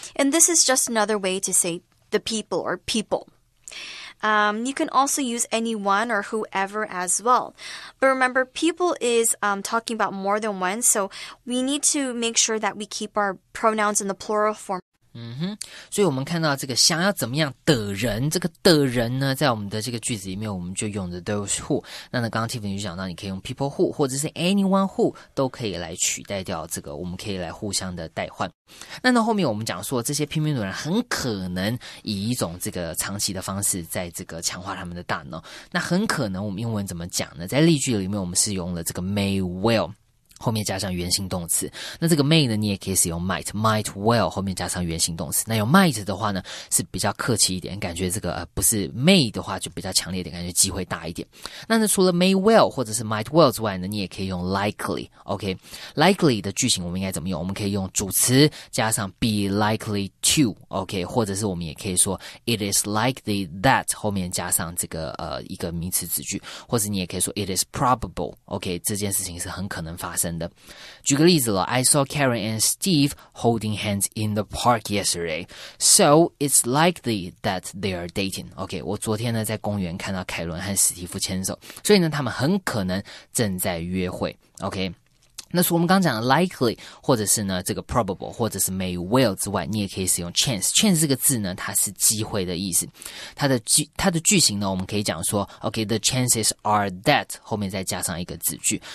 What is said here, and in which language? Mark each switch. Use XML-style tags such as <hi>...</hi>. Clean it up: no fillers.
<en>And this is just another way to say the people or people. You can also use anyone or whoever as well. But remember, people is talking about more than one, so we need to make sure that we keep our pronouns in the plural form.</en> <zh>所以我们看到这个想要怎么样的人，这个的人呢，在我们的这个句子里面，我们就用的 those who。那呢，刚刚 Tiffany 就讲到，你可以用 people who 或者是 anyone who 都可以来取代掉这个，我们可以来互相的代换。那呢，后面我们讲说，这些拼命的人很可能以一种这个长期的方式，在这个强化他们的大脑。那很可能我们英文怎么讲呢？在例句里面，我们是用了这个 may well。后面加上原形动词，那这个 may 呢，你也可以使用 might well 后面加上原形动词。那用 might 的话呢，是比较客气一点，感觉这个不是 may 的话就比较强烈一点，感觉机会大一点。那呢，除了 may well 或者是 might well 之外呢，你也可以用 likely。 OK， likely 的句型我们应该怎么用？我们可以用主词加上 be likely to。 OK， 或者是我们也可以说 it is likely that 后面加上这个一个名词子句，或者你也可以说 it is probable。 OK， 这件事情是很可能发生。举个例子了，</zh> <en>I saw Karen and Steve holding hands in the park yesterday, so it's likely that they are dating.</en> <zh>OK, 我昨天呢在公园看到凯伦和史蒂夫牵手，所以呢他们很可能正在约会。 OK，那除我们刚讲的 likely 或者是呢这个 probable 或者是 may well 之外，你也可以使用 chance。 chance 这个字呢，它是机会的意思，它的句型呢，我们可以讲说 OK the chances are that 后面再加上一个子句。</zh>